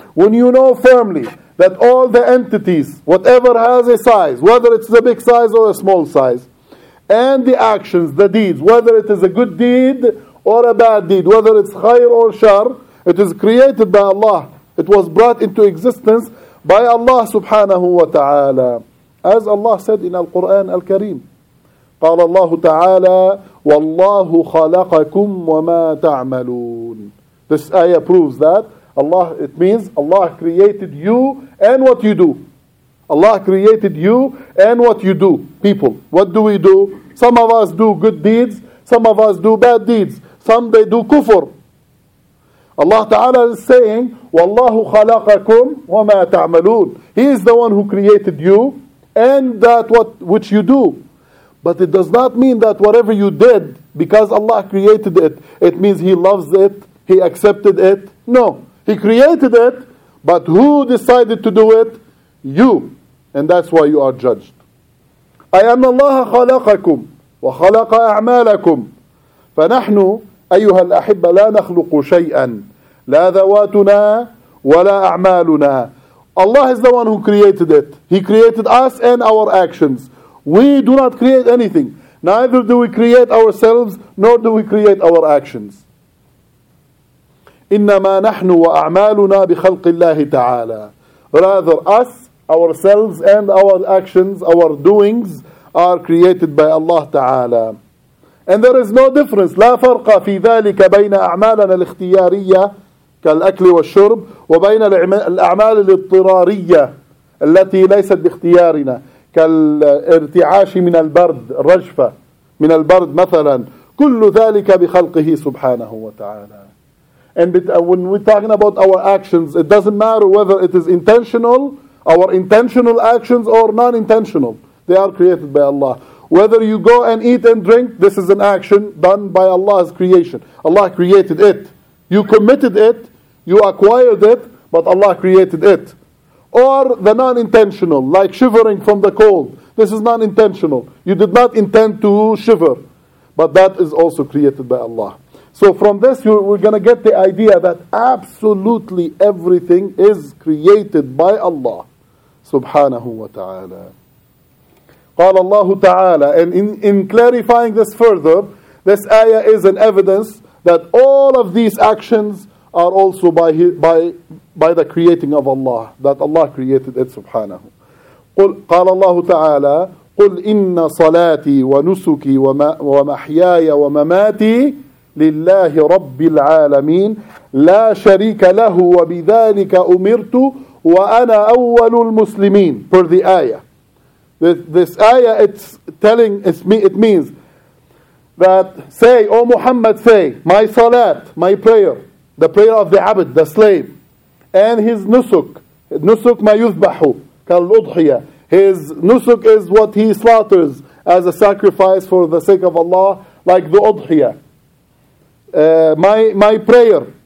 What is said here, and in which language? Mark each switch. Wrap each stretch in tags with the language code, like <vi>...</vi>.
<en>When you know firmly that all the entities, whatever has a size, whether it's a big size or a small size, and the actions, the deeds, whether it is a good deed or a bad deed, whether it's khair or shar, it is created by Allah. It was brought into existence by Allah subhanahu wa ta'ala. As Allah said in Al-Quran Al-Kareem,</en> <ar>قال الله تعالى والله خلقكم وما تعملون.</ar> <en>This ayah proves that Allah, it means Allah created you and what you do. Allah created you and what you do. People, what do we do? Some of us do good deeds, some of us do bad deeds, some they do kufr. Allah Ta'ala is saying</en> <ar>والله خلقكم وما تعملون.</ar> <en>He is the one who created you and that which you do. But it does not mean that whatever you did, because Allah created it, it means He loves it, He accepted it. No, He created it, but who decided to do it? You. And that's why you are judged. I am Allah</en> <ar>خلقكم وخلق أعمالكم فنحن أيها الأحبة لا نخلق شيئا لا ذواتنا ولا أعمالنا.</ar> <en>Allah is the one who created it. He created us and our actions. We do not create anything. Neither do we create ourselves, nor do we create our actions.</en> <ar>إِنَّمَا نَحْنُ وَأَعْمَالُنَا بِخَلْقِ اللَّهِ تَعَالَى.</ar> <en>Rather, us, ourselves, and our actions, our doings, are created by Allah Ta'ala. And there is no difference.</en> <ar>لَا فَرْقَ فِي ذَلِكَ بَيْنَ أَعْمَالَنَا الْإِخْتِيَارِيَّةِ كَالْأَكْلِ وَالشُّرْبِ وَبَيْنَ الْأَعْمَالِ الْإِضْطِرَارِيَّةِ الَّتِي لَيْسَتْ بِإِخْتِيَارِنَا كالارتعاش من البرد الرجفة من البرد مثلا كل ذلك بخلقه سبحانه وتعالى.</ar> <en>And when we're talking about our actions, it doesn't matter whether it is intentional, our intentional actions or non-intentional, they are created by Allah. Whether you go and eat and drink, this is an action done by Allah's creation. Allah created it, you committed it, you acquired it, but Allah created it. Or the non-intentional, like shivering from the cold. This is non-intentional. You did not intend to shiver. But that is also created by Allah. So from this, we're going to get the idea that absolutely everything is created by Allah subhanahu wa ta'ala.</en> <ar>قال الله تعالى.</ar> <en>And in clarifying this further, this ayah is an evidence that all of these actions are also by the creating of Allah, that Allah created it subhanahu.</en> <ar>قال الله تعالى قل إن صلاتي ونسكي ومحياي ومماتي لله رب العالمين لا شريك له وبذلك أمرت وأنا أول المسلمين.</ar> <en>Per the ayah, this ayah it means that say, O Muhammad, say, my salat, my prayer, the prayer of the abd, the slave, and his nusuk.</en> <ar>Nusuk ma yuzbahu kal-udhiyah.</ar> <en>His nusuk is what he slaughters as a sacrifice for the sake of Allah, like the udhiyah. My prayer,</en>